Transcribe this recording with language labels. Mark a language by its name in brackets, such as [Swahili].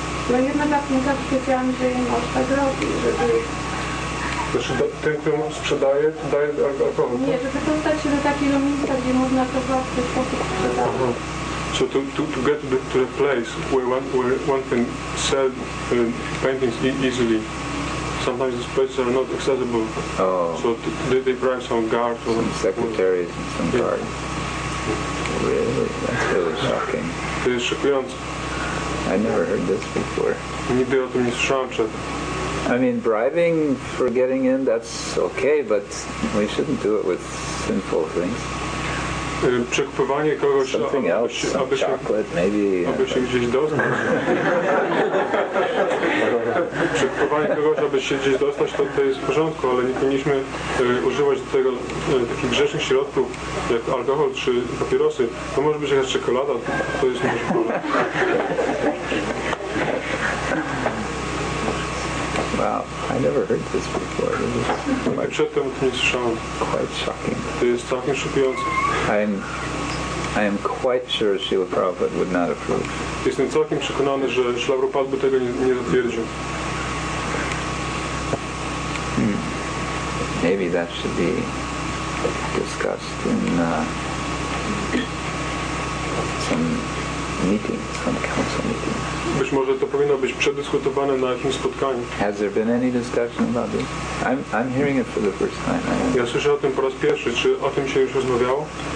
[Polish] No jednak nie zawsze wiedziałam, że im aż tak robi, żeby Znaczy, ten, który sprzedaje, to daje alkohol. Nie, żeby dostać się do takiego miejsca, gdzie można to w łatwy sposób sprzedawać. [English] So to get to the place where one can sell paintings easily. Sometimes these places are not accessible. Oh. So they bring some guards or some secretaries and some guards. Yeah. Really? That's really shocking. [Polish] To jest szokujące. [English] I never heard this before. [Polish] Nigdy o tym nie słyszałem przed. [English] I mean, bribing for getting in, that's okay, but we shouldn't do it with sinful things. [Polish] Przekupywanie kogoś, aby się gdzieś dostać. Przekupywanie kogoś, aby się gdzieś dostać, to jest w porządku, ale nie powinniśmy używać do tego takich grzesznych środków, jak alkohol czy papierosy. To może być jakaś czekolada, to jest może problem. [English] I never heard this before. Quite shocking. I am quite sure Srila Prabhupada would not approve. [Polish] Jestem całkiem przekonany, że Srila Prabhupada by tego nie zatwierdził. [English] Maybe that should be discussed in some meeting, some council meeting. [Polish] Być może to powinno być przedyskutowane na jakimś spotkaniu. [English] Has there been any discussion about this? I'm hearing it for the first time. [Polish] Ja słyszę o tym po raz pierwszy. Czy o tym się już rozmawiało?